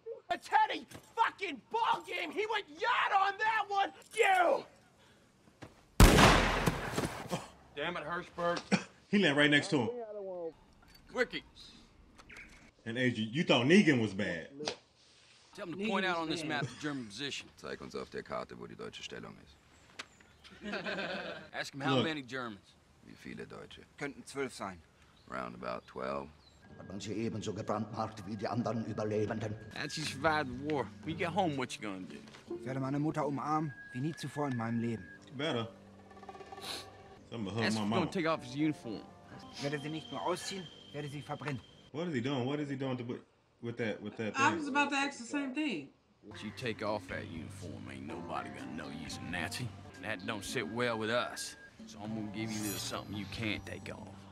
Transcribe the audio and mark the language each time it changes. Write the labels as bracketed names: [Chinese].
[English] A Teddy fucking ball game. He went yacht on that one. You. Damn it, Hirschberg. He landed right next to him. Quickie. And Adrian, you thought Negan was bad. Tell him to point out on this map the German position. [German] Zeig uns auf der Karte, wo die deutsche Stellung ist. [English] Ask him how Look. Many Germans. [German] Wie viele Deutsche? Könnten 12 sein. [English] Round about 12. [German] Haben sie ebenso gebrandmarkt wie die anderen Überlebenden. [English] As you survived the war, when you get home, what you gonna do? [German] Ich werde meine Mutter umarmen, wie nie zuvor in meinem Leben. [English] Better. Ask him to take off his uniform. [German] Werde sie nicht nur ausziehen, werde sie verbrennen. [English] What is he doing? What is he doing with that thing? I was about to ask the same thing. You take off that uniform, ain't nobody gonna know you's a Nazi. That don't sit well with us. So I'm gonna give you a little something you can't take off.